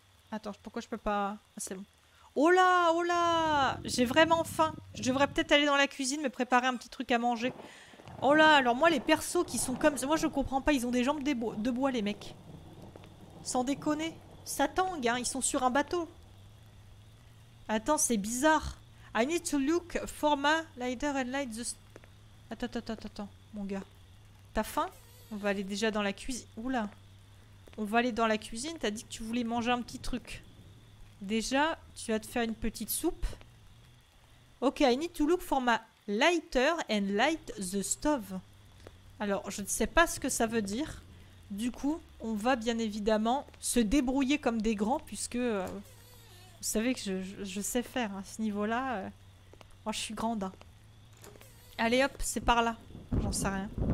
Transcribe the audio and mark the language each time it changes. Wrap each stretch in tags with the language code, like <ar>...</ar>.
<fr>Attends, pourquoi je peux pas... Ah, c'est bon. Oh là, oh là! J'ai vraiment faim. Je devrais peut-être aller dans la cuisine, me préparer un petit truc à manger. Oh là, alors moi, les persos qui sont comme... Moi, je comprends pas, ils ont des jambes de bois, les mecs. Sans déconner. Ça tangue, hein, ils sont sur un bateau. Attends, c'est bizarre.</fr> <en>I need to look for my lighter and light the...</en> <fr>Attends, mon gars. T'as faim? On va aller déjà dans la cuisine. Oula. On va aller dans la cuisine, t'as dit que tu voulais manger un petit truc. Déjà, tu vas te faire une petite soupe.</fr> <en>Ok, I need to look for my lighter and light the stove.</en> <fr>Alors, je ne sais pas ce que ça veut dire. Du coup, on va bien évidemment se débrouiller comme des grands, puisque... Vous savez que je sais faire hein, à ce niveau-là. Moi, je suis grande. Hein. Allez, hop, c'est par là. J'en sais rien.</fr>